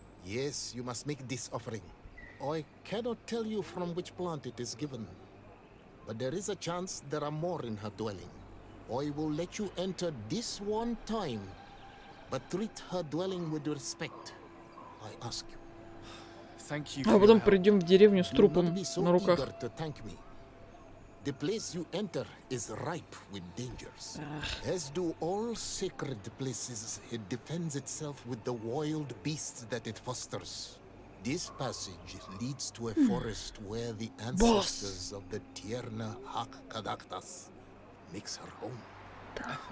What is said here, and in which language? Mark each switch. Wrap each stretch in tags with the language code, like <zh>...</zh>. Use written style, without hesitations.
<en>Yes, you must make this offering. I cannot tell you from which plant it is given, but there is a chance there are more in her dwelling. I will let you enter this one time, but treat her dwelling with respect. I ask you. Thank you.</en> <ru>А потом придем в деревню с трупом на руках.</ru> <en>To thank me. The place you enter is ripe with dangers. As do all sacred places, it defends itself with the wild beasts that it fosters. This passage leads to a forest where the ancestors of the Tiernahach Kadactus makes her home.</en>